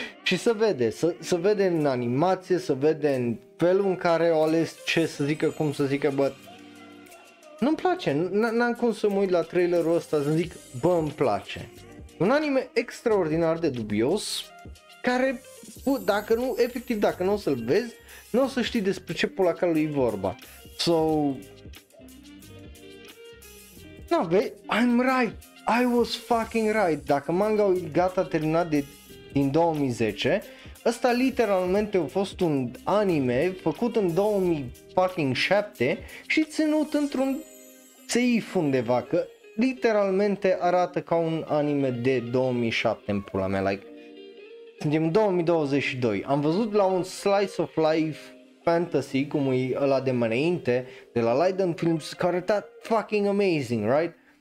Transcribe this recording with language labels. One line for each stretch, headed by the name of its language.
Romanian: Și să vede, să vede în animație, să vede în felul în care au ales ce să zică, cum să zică, bă, nu-mi place, n-am cum să mă uit la trailerul ăsta să zic, bă, îmi place. Un anime extraordinar de dubios, care, dacă nu, efectiv, dacă nu o să-l vezi, nu o să știi despre ce pula că lui e vorba.
English: So...
Romanian: Na, vezi,
English: I'm right, I was fucking right.
Romanian: Dacă manga-ul e gata, terminat din 2010, ăsta literalmente a fost un anime făcut în 2007 și ținut într-un safe undeva, că literalmente arată ca un anime de 2007 în pula mea, like, suntem în 2022, am văzut la un slice of life fantasy, cum e ăla de mâineinte, de la Leiden Films, care arăta
English: fucking amazing, right?